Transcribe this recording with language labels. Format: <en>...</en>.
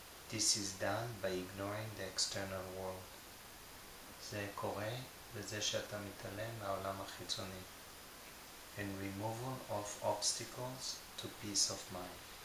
<en>This is done by ignoring the external world.</en> <he>זה קורה בזה שאתה מתעלם מהעולם החיצוני.</he> <en>And removal of obstacles to peace of mind.</en>